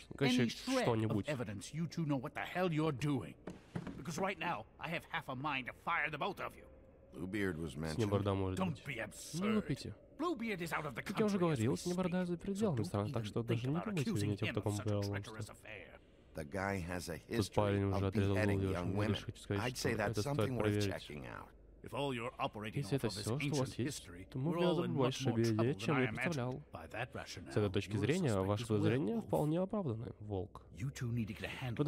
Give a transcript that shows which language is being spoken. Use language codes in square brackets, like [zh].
[en] Any shred of evidence you two know what the hell you're doing? Because right now I have half a mind to fire the both of you. Bluebeard was mentioned. Don't be absurd. Bluebeard is out of the country. [ru] Как я уже говорил, Снеборда за пределами страны, так что даже не думайте винить в таком деле. [en] The guy has a history of beheading young women. I'd say that's something worth checking out. If all you're operating off of this ancient history, we're all in much more trouble than I imagined. By that rationale, your suspicions were wholly unfounded, Wolf. You two need to get a handle